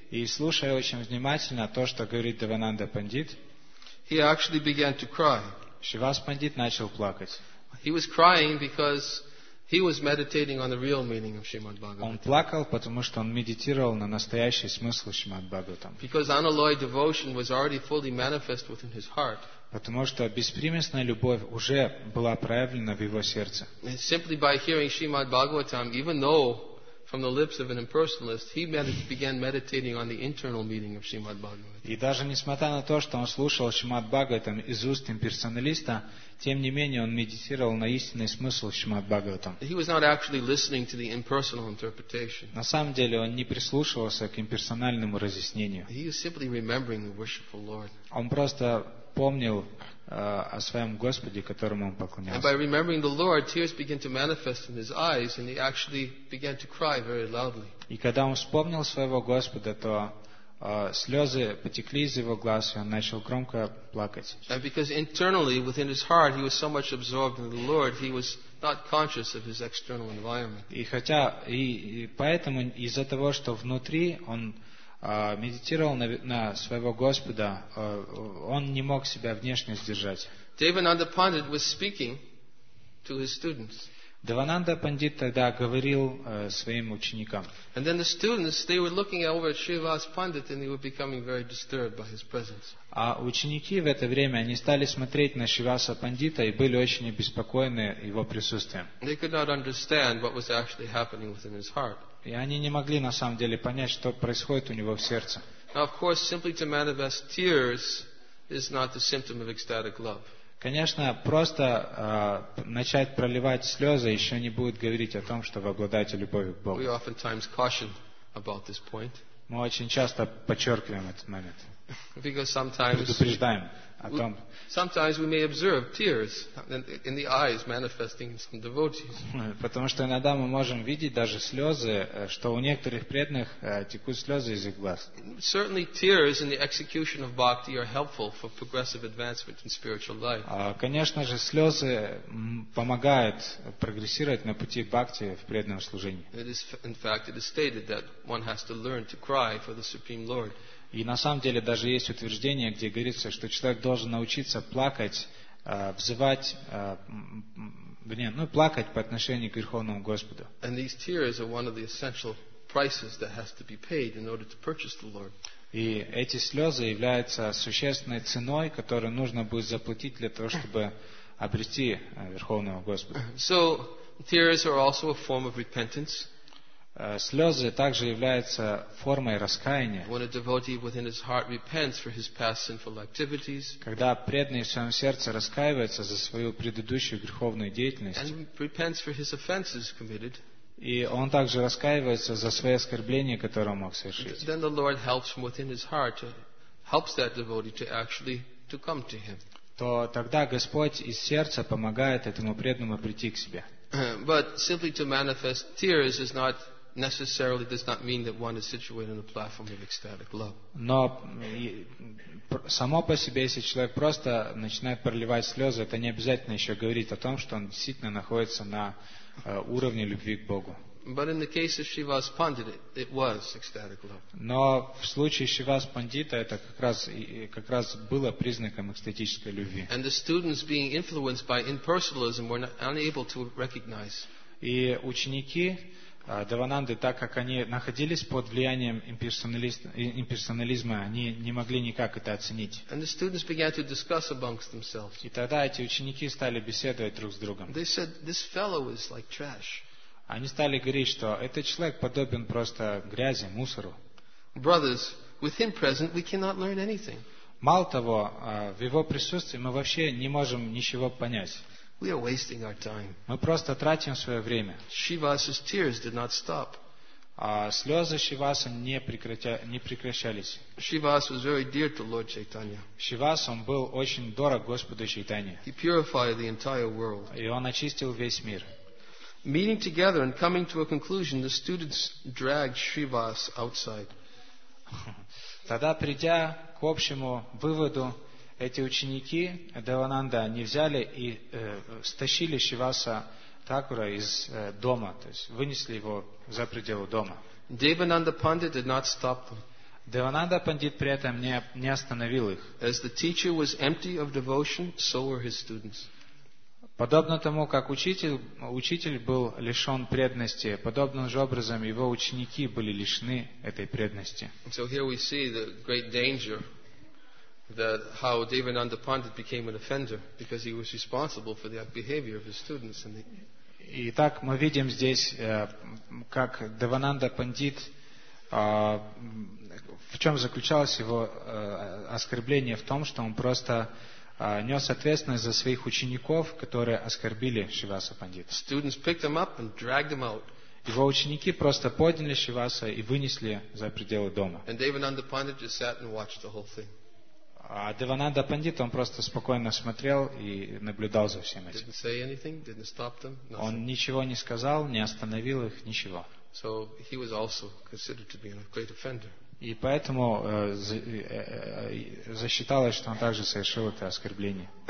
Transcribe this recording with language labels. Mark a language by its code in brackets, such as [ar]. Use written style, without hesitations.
[ru] и слушая очень внимательно то, что говорит Девананда Пандит, [en] he actually began to cry. [ru] Шивас Пандит начал плакать. [en] He was crying because he was meditating on the real meaning of Shrimad Bhagavatam. [ru] Он плакал, потому что он медитировал на настоящий смысл Шримад Бхагаватам. [en] Because unalloyed devotion was already fully manifest within his heart. [ru] Потому что беспримесная любовь уже была проявлена в его сердце. [en] And simply by hearing Shrimad Bhagavatam, even though from the lips of an impersonalist, he began meditating on the internal meaning of Srimad Bhagavatam. [ru] И даже несмотря на то, что он слушал Шримад Бхагаватам из уст имперсоналиста, тем не менее он медитировал на истинный смысл Шримад Бхагаватам. [en] He was not actually listening to the impersonal interpretation. [ru] На самом деле он не прислушивался к имперсональному разъяснению. [en] He was simply remembering the worshipful Lord. [ru] Он просто помнил о своем Господе, которому он поклонялся. [en] And by remembering the Lord, tears began to manifest in his eyes, and he actually began to cry very loudly. [ru] И когда он вспомнил своего Господа, то слезы потекли из его глаз, и он начал громко плакать. [en] And because internally, within his heart, he was so much absorbed in the Lord, he was not conscious of his external environment. [ru] И хотя и поэтому из-за того, что внутри он медитировал на своего Господа, он не мог себя внешне сдержать. [en] Devananda Pandit was speaking to his students. [ru] Devananda Pandit тогда говорил своим ученикам. [en] And then the students, they were looking over at Srivas Pandit and they were becoming very disturbed by his presence. [ru] А ученики в это время, они стали смотреть на Шриваса Пандита и были очень обеспокоены его присутствием. [en] They could not understand what was actually happening within his heart. [ru] И они не могли на самом деле понять, что происходит у него в сердце. [en] Now, of course, simply to manifest tears is not the symptom of ecstatic love. [ru] Конечно, просто начать проливать слезы еще не будет говорить о том, что вы обладаете любовью к Богу. [en] We oftentimes caution about this point. [ru] Мы очень часто подчеркиваем этот момент. [en] Because sometimes [ru] предупреждаем о том. [en] Sometimes we may observe tears in the eyes manifesting in some devotees. [ru] Потому что иногда мы можем видеть даже слезы, что у некоторых преданных текут слезы из их глаз. [en] Certainly, tears in the execution of bhakti are helpful for progressive advancement in spiritual life. [ru] Конечно же, слезы помогают прогрессировать на пути бхакти в преданном служении. [en] It is, in fact, it is stated that one has to learn to cry for the Supreme Lord. [ru] И на самом деле даже есть утверждение, где говорится, что человек должен научиться плакать, плакать по отношению к Верховному Господу. [en] And these tears are one of the essential prices that has to be paid in order to purchase the Lord. [ru] И эти слезы являются существенной ценой, которую нужно будет заплатить для того, чтобы обрести Верховного Господа. [en] So tears are also a form of repentance. [ru] Слезы также являются формой раскаяния. [en] When a devotee within his heart repents for his past sinful activities, [ru] когда преданный в своем сердце раскаивается за свою предыдущую греховную деятельность, [en] and repents for his offenses committed, [ru] и он также раскаивается за свои оскорбления, которые он мог совершить, [en] then the Lord helps from within his heart to helps that devotee to actually to come to him. [ru] То тогда Господь из сердца помогает этому преданному прийти к себе. [en] But simply to manifest tears is not necessarily does not mean that one is situated on a platform of ecstatic love. [ru] Но само по себе, если человек просто начинает проливать слезы, это не обязательно еще говорит о том, что он действительно находится на уровне любви к Богу. [en] But in the case of Shivas Pandit, it was ecstatic love. [ru] Но в случае Шивас Пандита это как раз было признаком экстатической любви. [en] And the students, being influenced by impersonalism, were unable to recognize. [ru] И ученики Девананды, так как они находились под влиянием имперсонализма, они не могли никак это оценить. [en] And the students began to discuss amongst themselves. [ru] И тогда эти ученики стали беседовать друг с другом. [en] They said, this fellow is like trash. [ru] Они стали говорить, что этот человек подобен просто грязи, мусору. [en] Brothers, with him present, we cannot learn anything. [ru] Мало того, в его присутствии мы вообще не можем ничего понять. [en] We are wasting our time. [ru] Мы просто тратим свое время. [en] Shivas's tears did not stop. [ru] Слезы Шиваса не прекращались. [en] Shivas was very dear to Lord Chaitanya. [ru] Шивас он был очень дорог Господу Чайтанье. [en] He purified the entire world. [ru] И он очистил весь мир. [en] Meeting together and coming to a conclusion, the students dragged Shivas outside. [ru] Тогда придя к общему выводу, эти ученики Девананда, они взяли и стащили Шиваса Такура из дома, то есть вынесли его за пределы дома. [en] Devananda Pandit did not stop them. [ru] Девананда Пандит при этом не остановил их. [en] As the teacher was empty of devotion, so were his students. [ru] Подобно тому, как учитель был лишен преданности, подобным же образом его ученики были лишены этой преданности. [en] So here we see the great danger that how Devananda Pandit became an offender because he was responsible for the behavior of his students. And the... [ru] Итак, мы видим здесь, как Девананда Пандит, в чем заключалось его оскорбление, в том, что он просто нес ответственность за своих учеников, которые оскорбили Шиваса Пандита. Его ученики просто подняли Шиваса и вынесли за пределы дома. [en] And Devananda Pandit just sat and watched the whole thing. [ru] А Девананда Пандит, он просто спокойно смотрел и наблюдал за всем этим. [en] Didn't say anything, didn't stop them, nothing. [ru] Он ничего не сказал, не остановил их, ничего. [en] So he was also considered to be a great offender. [ru] И поэтому засчиталось, что он также совершил это оскорбление.